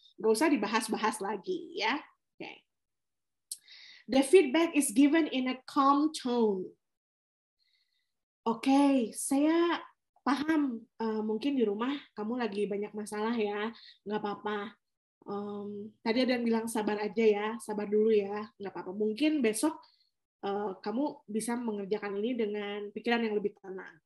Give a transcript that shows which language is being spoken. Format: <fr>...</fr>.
<id>Nggak usah dibahas-bahas lagi, ya. Okay.</id> <en>The feedback is given in a calm tone.</en> <id>Okay, saya paham. Mungkin di rumah kamu lagi banyak masalah, ya. Nggak apa-apa. Tadi ada yang bilang sabar aja, ya. Sabar dulu, ya. Nggak apa-apa. Mungkin besok kamu bisa mengerjakan ini dengan pikiran yang lebih tenang.</id>